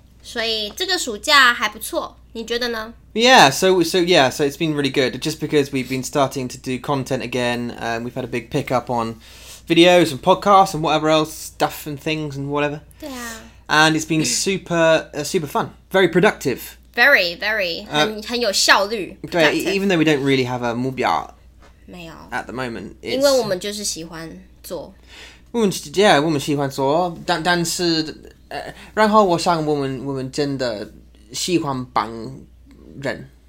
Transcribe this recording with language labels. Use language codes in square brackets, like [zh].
[zh] 所以这个暑假还不错，你觉得呢？ [en] Yeah. So it's been really good. Just because we've been starting to do content again, we've had a big pick up on videos and podcasts and whatever else stuff and things and whatever. [zh] 对啊。 [en] And it's been super fun. Very productive. Very, very. [zh] 很有效率。 [en] 对， even though we don't really have a 目标。 [zh] 没有。 [en] At the moment, it's, [zh] 因为我们就是喜欢。我们喜欢做 但是、然后我想我们真的喜欢帮人，